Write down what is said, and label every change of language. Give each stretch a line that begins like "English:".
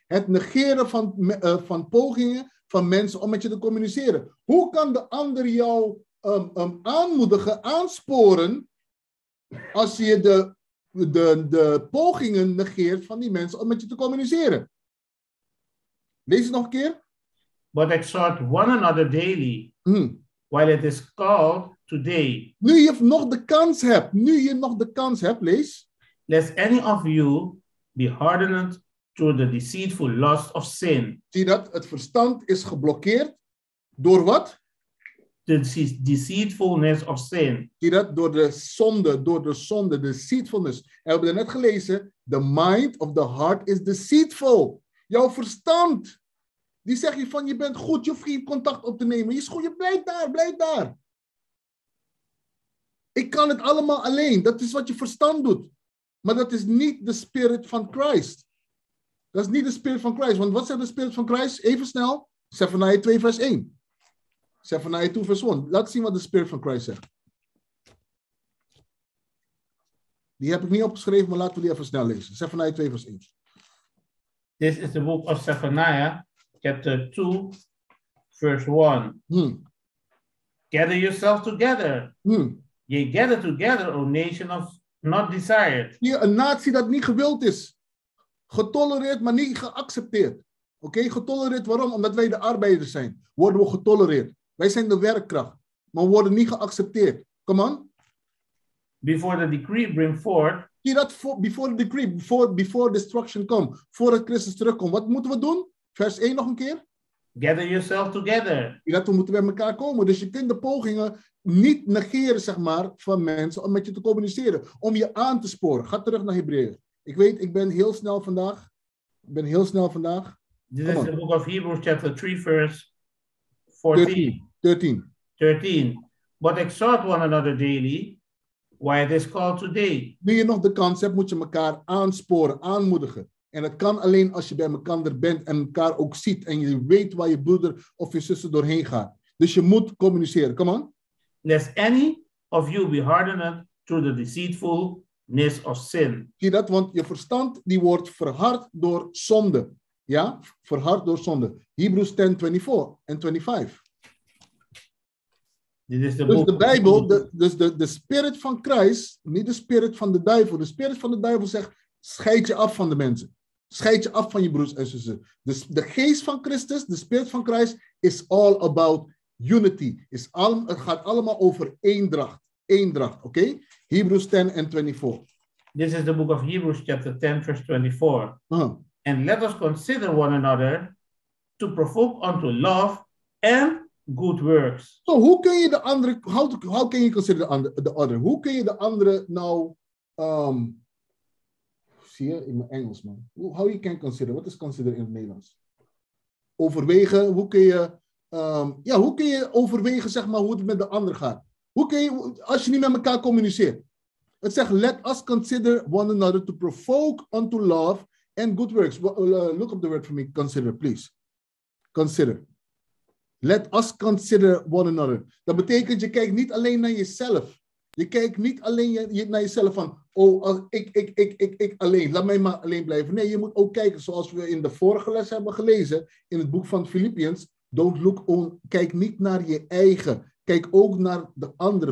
Dutch: Het negeren van pogingen van mensen om met je te communiceren. Hoe kan de ander jou aanmoedigen, aansporen, als je de pogingen negeert van die mensen om met je te communiceren? Lees het nog een keer.
English: But exhort one another daily, while it is called today.
Dutch: Nu je nog de kans hebt, lees.
English: Lest any of you be hardened through the deceitful lust of sin.
Dutch: Zie dat, het verstand is geblokkeerd door wat?
English: The deceitfulness of sin.
Dutch: Zie dat, door de zonde, deceitfulness. En we hebben net gelezen,
English: the mind of the heart is deceitful.
Dutch: Jouw verstand, die zeg je van, je bent goed, je hoeft geen contact op te nemen. Je is goed, je blijf daar. Ik kan het allemaal alleen. Dat is wat je verstand doet. Maar dat is niet de spirit van Christ. Dat is niet de spirit van Christ. Want wat zegt de spirit van Christ? Even snel. Zephaniah 2 vers 1. Zephaniah 2 vers 1. Laat zien wat de spirit van Christ zegt. Die heb ik niet opgeschreven, maar laten we die even snel lezen. Zephaniah 2 vers 1.
English: This is the book of Zephaniah, chapter 2, verse 1. Gather yourself together. Ye gather together, O nation of not desired.
Dutch: Hier, een natie dat niet gewild is. Getolereerd, maar niet geaccepteerd. Oké,
English: okay?
Dutch: Getolereerd waarom? Omdat wij de arbeiders zijn. Worden we getolereerd. Wij zijn de werkkracht, maar worden niet geaccepteerd.
English: Come on. Before the decree bring forth.
Dutch: Hier, dat
English: before the decree, before destruction come.
Dutch: Voordat Christus terugkomt. Wat moeten we doen? Vers 1 nog een keer. Gather yourself together. Je dat we moeten bij elkaar komen. Dus je kunt de pogingen niet negeren, zeg maar, van mensen om met je te communiceren. Om je aan te sporen. Ga terug naar Hebreeën. Ik weet, ik ben heel snel vandaag. Dit is de boek
English: of Hebrews, chapter 3, verse 14. 13. But exhort one another daily, while it is called today.
Dutch: Nu je nog de kans hebt, moet je elkaar aansporen, aanmoedigen. En het kan alleen als je bij elkaar er bent en elkaar ook ziet. En je weet waar je broeder of je zuster doorheen gaat. Dus je moet communiceren.
English: Come on.
Dutch: Lest any of you be hardened through the deceitfulness of sin. Zie dat, want je verstand die wordt verhard door zonde. Ja, verhard door zonde. Hebrews 10, 24 en 25. Dus de Bijbel, dus de spirit van Christ, niet de spirit van de duivel. De spirit van de duivel zegt, scheid je af van de mensen. Scheid je af van je broers en zussen. Dus de geest van Christus, de spirit van Christ,
English: is all about unity.
Dutch: Het gaat allemaal over eendracht. Eendracht, oké?
English: Okay? Hebrews 10 and 24. This is the book of Hebrews chapter 10 verse 24. Uh-huh. And let us consider one another to provoke unto love and good works.
Dutch: So hoe kun je de andere,
English: how can you consider the other?
Dutch: Hoe kun je de andere nou, zie je in mijn Engels man.
English: How you can consider, what is consider
Dutch: in het Nederlands? Overwegen, hoe kun je, hoe kun je overwegen zeg maar hoe het met de ander gaat? Hoe kun je, als je niet met elkaar communiceert? Het zegt,
English: let us consider one another to provoke unto love and good works. Look up the word for me, consider, please. Consider. Let us consider one another.
Dutch: Dat betekent, je kijkt niet alleen naar jezelf. Je kijkt niet alleen naar jezelf van, ik alleen. Laat mij maar alleen blijven. Nee, je moet ook kijken, zoals we in de vorige les hebben gelezen, in het boek van Filippiërs.
English: Don't look on,
Dutch: kijk niet naar je eigen. Kijk ook naar de andere.